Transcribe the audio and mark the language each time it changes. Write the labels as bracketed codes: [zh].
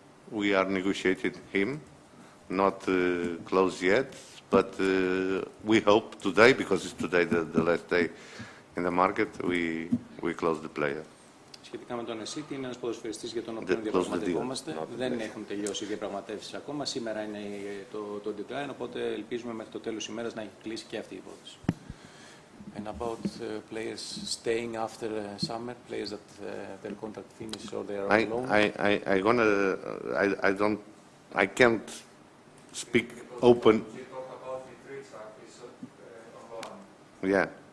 [en] we are negotiating him, not closed yet, but we hope today, because it's today the last day in the market, we close the player. [el] Σχετικά με τον Εσίτη, είναι ένας ποδοσφαιριστής για τον οποίο διαπραγματευόμαστε. Δεν έχουν τελειώσει οι διαπραγματεύσεις ακόμα. Σήμερα είναι το deadline, οπότε ελπίζουμε μέχρι το τέλος ημέρας να έχει κλείσει και αυτή η υπόθεση. [en] And about players staying after summer, players that their contract finishes or they are alone. I can't speak open. Yeah.